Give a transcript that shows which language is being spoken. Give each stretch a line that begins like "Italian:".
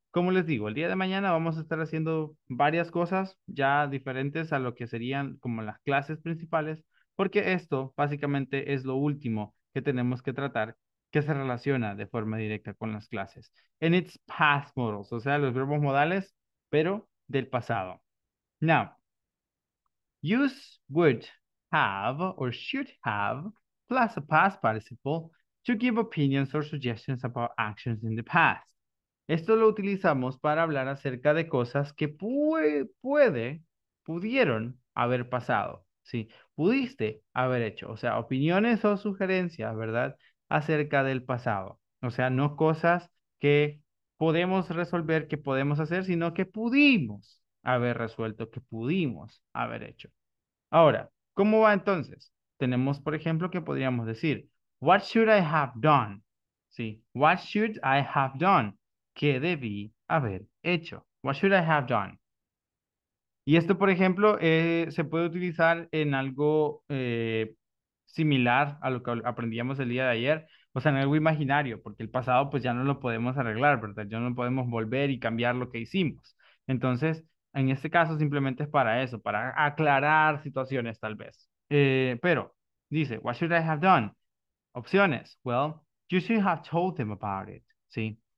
Spanish: Como les digo, el día de mañana vamos a estar haciendo varias cosas ya diferentes a lo que serían como las clases principales, porque esto básicamente es lo último que tenemos que tratar que se relaciona de forma directa con las clases. En
English: its past modals,
Spanish: o sea, los verbos modales, pero del pasado.
English: Now, you would have or should have plus a past participle to give opinions or suggestions about actions in the past.
Spanish: Esto lo utilizamos para hablar acerca de cosas que pudieron haber pasado, ¿sí? Pudiste haber hecho, o sea, opiniones o sugerencias, ¿verdad? Acerca del pasado. O sea, no cosas que podemos resolver, que podemos hacer, sino que pudimos haber resuelto, que pudimos haber hecho. Ahora, ¿cómo va entonces? Tenemos, por ejemplo, que podríamos decir,
English: what should I have done?
Spanish: ¿Sí?
English: What should I have done?
Spanish: ¿Qué debí haber hecho?
English: What should I have done?
Spanish: Y esto, por ejemplo, se puede utilizar en algo similar a lo que aprendíamos el día de ayer. O sea, en algo imaginario, porque el pasado pues ya no lo podemos arreglar, ¿verdad? Ya no podemos volver y cambiar lo que hicimos. Entonces, en este caso simplemente es para eso, para aclarar situaciones tal vez. Pero, dice,
English: what should I have done?
Spanish: Opciones.
English: Well, you should have told them about it, ¿sí?